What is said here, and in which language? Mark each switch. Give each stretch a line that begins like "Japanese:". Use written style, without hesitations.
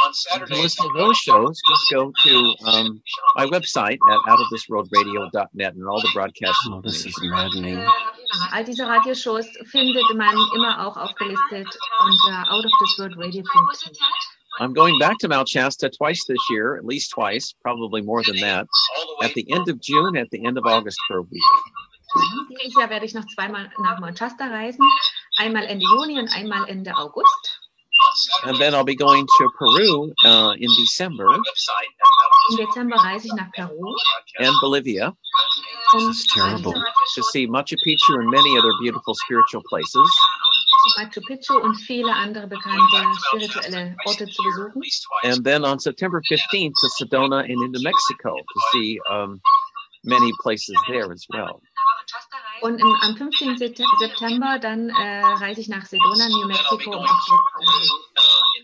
English: To listen to those shows, just go to my website at outofthisworldradio.net and all the broadcasts. Oh, this is maddening.
German: All diese Radioshows findet man immer auch aufgelistet unter outofthisworldradio.net.
English: I'm going back to Mount Shasta twice this year, at least twice, probably more than that, at the end of June, at the end of August for a week.
German: Dieses Jahr werde ich noch zweimal nach Mount Shasta reisen, einmal Ende Juni und einmal Ende August.
English: And then I'll be going to Peru in December.
German: In Dezember reise ich nach Peru.
English: And Bolivia. This is terrible. To see Machu Picchu and many other beautiful spiritual places.
German: Machu Picchu und viele andere bekannte spirituelle Orte zu besuchen.
English: And then on September 15th to Sedona and into Mexico to see many places there as well.
German: Und am 15. September dann reise ich nach Sedona, New Mexico, um auch